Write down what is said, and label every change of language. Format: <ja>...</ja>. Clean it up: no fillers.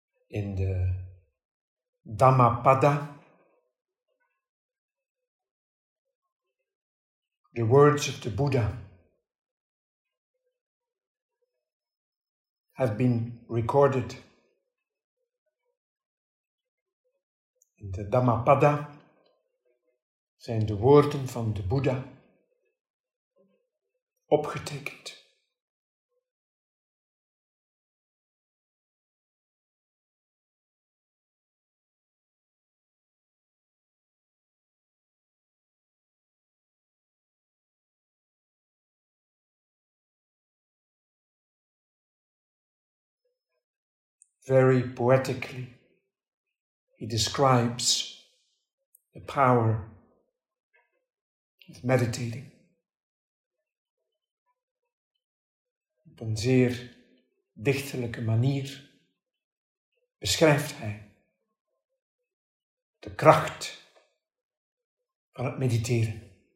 <nl>In de</nl> <en>Dhammapada, the words of the Buddha have been recorded.</en> <nl>In de Dhammapada zijn de woorden van de Buddha opgetekend.</nl> <en>Very poetically, he describes the power of meditating.</en> <nl>Op een zeer dichterlijke manier beschrijft hij de kracht van het mediteren.</nl>